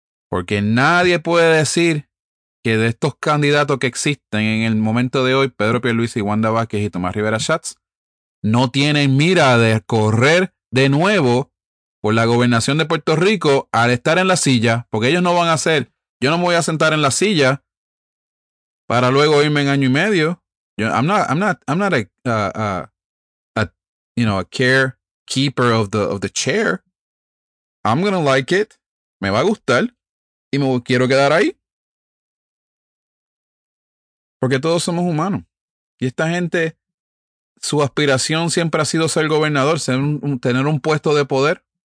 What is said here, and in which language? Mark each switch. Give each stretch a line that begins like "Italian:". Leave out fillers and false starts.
Spanish: Porque nadie puede decir que de estos candidatos que existen en el momento de hoy, Pedro Pierluisi, Wanda Vázquez y Tomás Rivera Schatz, no tienen mira de correr de nuevo por la gobernación de Puerto Rico al estar en la silla, porque ellos no van a hacer, yo no me voy a sentar en la silla para luego irme en año y medio.
English: I'm not a caretaker of the chair. I'm gonna like it.
Spanish: Me va a gustar y me quiero quedar ahí. Porque todos somos humanos. Y esta gente, su aspiración siempre ha sido ser gobernador, tener un puesto de poder.